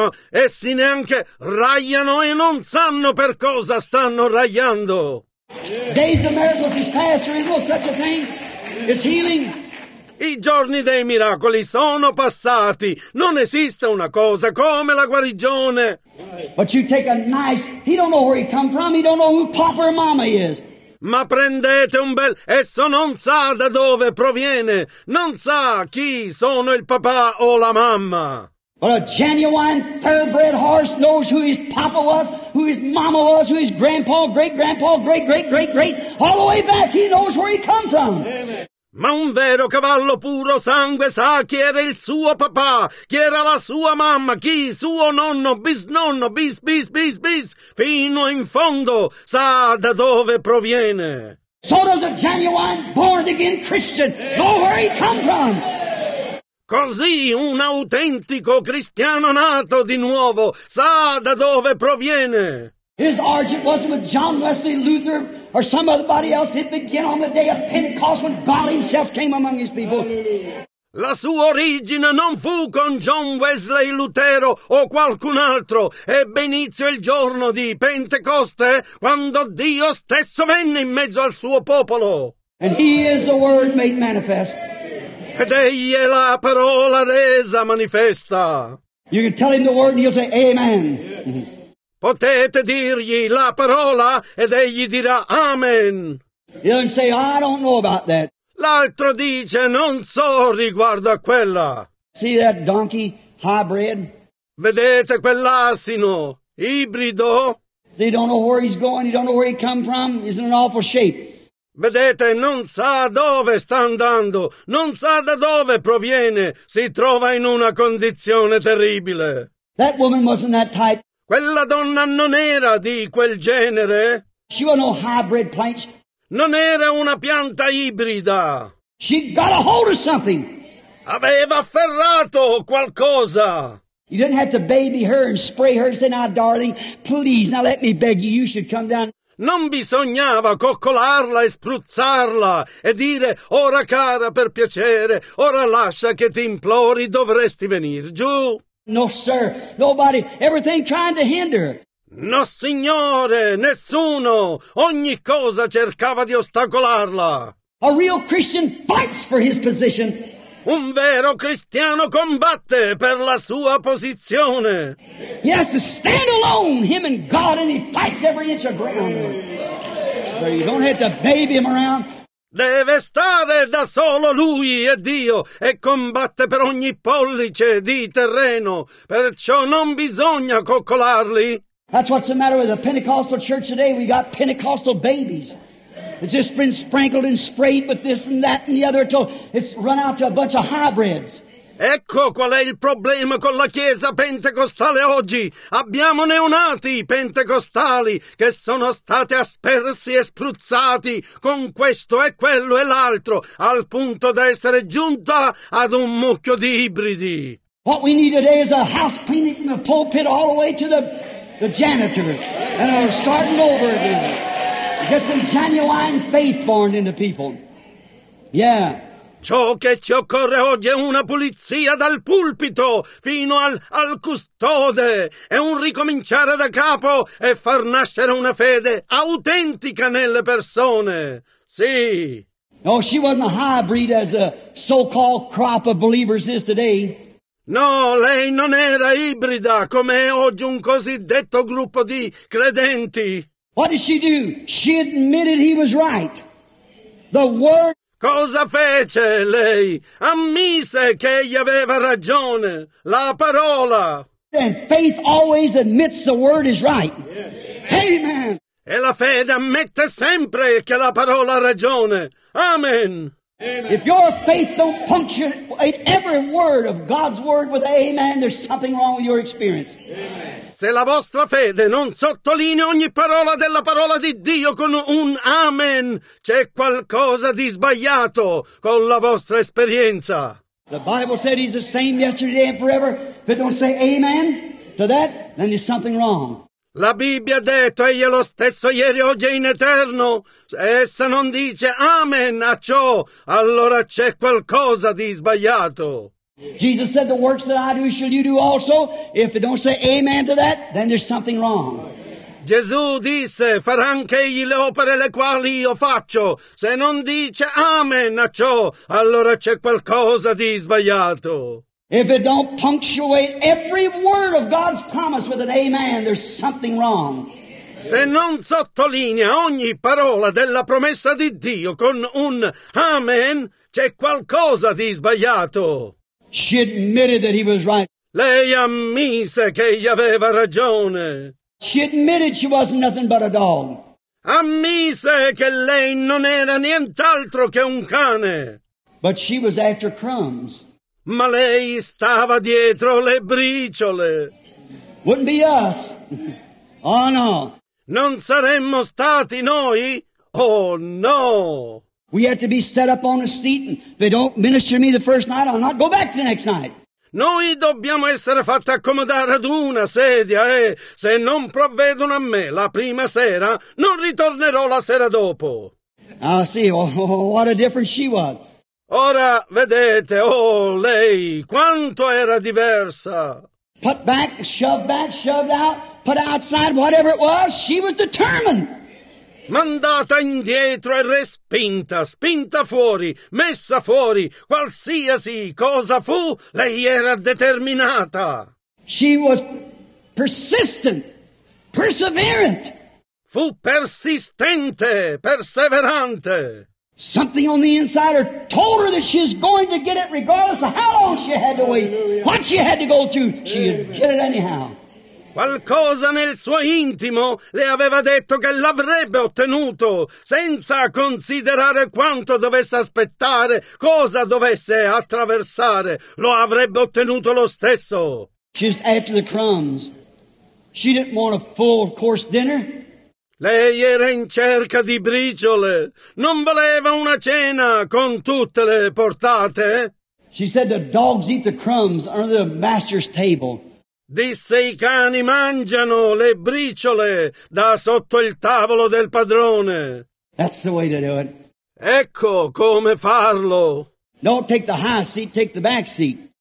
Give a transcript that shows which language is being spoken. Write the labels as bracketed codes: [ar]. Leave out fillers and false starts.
[it] Essi neanche ragliano e non sanno per cosa stanno ragliando. [en] Days of miracles is past, there is no such a thing as healing. [it] I giorni dei miracoli sono passati. Non esiste una cosa come la guarigione. [en] But you take a nice. He don't know where he come from. He don't know who papa or mama is. [it] Ma prendete un bel... Esso non sa da dove proviene. Non sa chi sono il papà o la mamma. [en] But a genuine thoroughbred horse knows who his papa was, who his mama was, who his grandpa, great-grandpa, great-great-great-great, all the way back he knows where he come from. Amen. [it] Ma un vero cavallo puro sangue sa chi era il suo papà, chi era la sua mamma, chi suo nonno, bisnonno, bis bis bis bis, fino in fondo sa da dove proviene. [en] So does a genuine born again Christian know where he come from. [it] Così un autentico cristiano nato di nuovo sa da dove proviene. [en] His origin wasn't with John Wesley Luther or somebody else. It began on the day of Pentecost when God himself came among his people. [it] La sua origine non fu con John Wesley Lutero o qualcun altro. Ebbe inizio il giorno di Pentecoste quando Dio stesso venne in mezzo al suo popolo. [en] And he is the word made manifest. [it] Ed egli è la parola resa manifesta. [en] You can tell him the word and he'll say amen. [it] Potete dirgli la parola ed egli dirà amen. [en] He'll say I don't know about that. [it] L'altro dice non so riguardo a quella. [en] See that donkey hybrid? [it] Vedete quell'asino ibrido? [en] He don't know where he's going, he don't know where he come from, he's in an awful shape. [it] Vedete, non sa dove sta andando, non sa da dove proviene, si trova in una condizione terribile. [en] That woman wasn't that type. [it] Quella donna non era di quel genere. [en] She was no hybrid plant. [it] Non era una pianta ibrida. [en] She got a hold of something. [it] Aveva afferrato qualcosa. [en] You didn't have to baby her and spray her and say, now, darling, please, now let me beg you, you should come down. [it] Non bisognava coccolarla e spruzzarla e dire, ora cara, per piacere, ora lascia che ti implori, dovresti venire giù. [en] No, sir, nobody, everything trying to hinder. [it] No, signore, nessuno, ogni cosa cercava di ostacolarla. [en] A real Christian fights for his position. [it] Un vero cristiano combatte per la sua posizione. [en] He has to stand alone, him and God, and he fights every inch of ground. So you don't have to baby him around. [it] Deve stare da solo lui e Dio e combatte per ogni pollice di terreno. Perciò non bisogna coccolarli. [en] That's what's the matter with the Pentecostal church today. We got Pentecostal babies. It's just been sprinkled and sprayed with this and that and the other until it's run out to a bunch of hybrids. [it] Ecco qual è il problema con la chiesa pentecostale oggi. Abbiamo neonati pentecostali che sono stati aspersi e spruzzati con questo e quello e l'altro al punto da essere giunta ad un mucchio di ibridi. [en] What we need today is a house cleaning from the pulpit all the way to the janitor and are starting over again. Get some genuine faith born in the people. Yeah. [it] Ciò che ci occorre oggi è una pulizia dal pulpito fino al custode e un ricominciare da capo e far nascere una fede autentica nelle persone. Sì. [en] No, she wasn't a hybrid as a so-called crop of believers is today. [it] No, lei non era ibrida come è oggi un cosiddetto gruppo di credenti. [en] What did she do? She admitted he was right. The word. [it] Cosa fece lei? Ammise che egli aveva ragione. La parola. [en] And faith always admits the word is right. Yeah. Amen. [it] E la fede ammette sempre che la parola ha ragione. Amen. [en] If your faith don't punctuate every word of God's word with amen, there's something wrong with your experience. Amen. [it] Se la vostra fede non sottolinea ogni parola della parola di Dio con un amen, c'è qualcosa di sbagliato con la vostra esperienza. [en] The Bible said he's the same yesterday and forever. If it don't say amen to that, then there's something wrong. [it] La Bibbia ha detto, egli è lo stesso ieri, oggi e in eterno. Essa non dice amen a ciò, allora c'è qualcosa di sbagliato. [en] Jesus said, the works that I do shall you do also. If it don't say amen to that, then there's something wrong. [it] Gesù disse, farà anche egli le opere le quali io faccio. Se non dice amen a ciò, allora c'è qualcosa di sbagliato. [en] If it don't punctuate every word of God's promise with an amen, there's something wrong. [it] Se non sottolinea ogni parola della promessa di Dio con un amen, c'è qualcosa di sbagliato. [en] She admitted that he was right. [it] Lei ammise che egli aveva ragione. [en] She admitted she wasn't nothing but a dog. [it] ammise che lei non era nient'altro che un cane. [en] But she was after crumbs. [it] Ma lei stava dietro le briciole. [en] Wouldn't be us. Oh no. [it] Non saremmo stati noi? Oh no. [en] We had to be set up on a seat, and if they don't minister to me the first night, I'll not go back the next night. [it] Noi dobbiamo essere fatti accomodare ad una sedia e, se non provvedono a me la prima sera, non ritornerò la sera dopo. Ah, sì, [en] oh, what a difference she was. [it] Ora vedete, oh, lei, quanto era diversa. [en] Put back, shoved out, put outside, whatever it was, she was determined. [it] Mandata indietro e respinta, spinta fuori, messa fuori, qualsiasi cosa fu, lei era determinata. [en] She was persistent, perseverant. [it] Fu persistente, perseverante. [en] Something on the inside her told her that she was going to get it regardless of how long she had to wait, what she had to go through, she would get it anyhow. [it] Qualcosa nel suo intimo le aveva detto che l'avrebbe ottenuto, senza considerare quanto dovesse aspettare, cosa dovesse attraversare, lo avrebbe ottenuto lo stesso. [en] Just after the crumbs. She didn't want a full course dinner. [it] Lei era in cerca di briciole, non voleva una cena con tutte le portate. [en] She said the dogs eat the crumbs under the master's table. [it] Disse i cani mangiano le briciole da sotto il tavolo del padrone. [en] That's the way to do it. [it] Ecco come farlo. [en] Don't take the high seat, take the back seat.